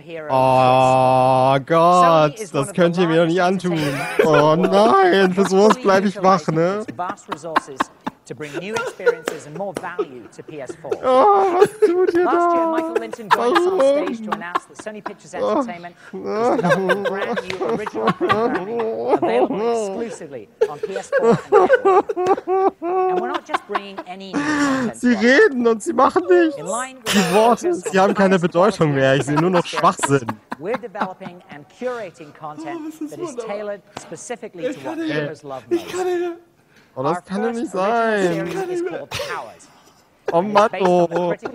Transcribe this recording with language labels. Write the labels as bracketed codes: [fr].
[de] Oh Gott, das könnt ihr mir doch nicht antun. Oh nein, für sowas bleib ich wach, ne? [en] To bring new experiences and more value to PS4. Oh, last [de] da? [en] Year, Michael Linton joined us on stage to announce that Sony Pictures Entertainment is bringing brand new original programming available exclusively on PS4 and PS4. And we're not just bringing any [de] Sie reden und sie machen nichts. Die Worte, sie haben keine Bedeutung mehr. Ich sehe nur noch Schwachsinn. [en] We're developing and curating content that is tailored specifically to what viewers love most. [de] Oh, das kann doch nicht sein. Oh, Matto.